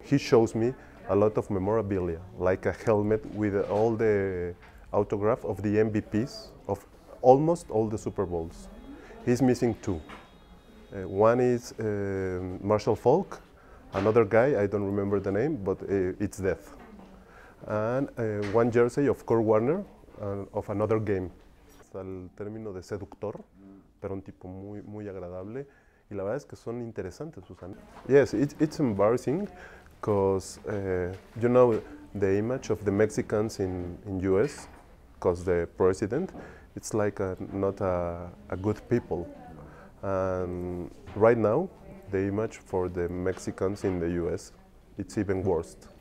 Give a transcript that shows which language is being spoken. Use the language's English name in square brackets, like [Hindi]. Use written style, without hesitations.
[English] He shows me a lot of memorabilia, like a helmet with all the autograph of the MVPs of almost all the Super Bowls. He's missing two. One is Marshall Faulk, another guy, I don't remember the name, but it's death. And one jersey of Kurt Warner of another game. [Spanish] Hasta el término de seductor, pero un tipo muy, muy agradable. Y la verdad es que son interesantes, Susana. [English] Yes, it's embarrassing, because you know the image of the Mexicans in US, because the president, it's like not a good people. And right now, the image for the Mexicans in the US, it's even worse.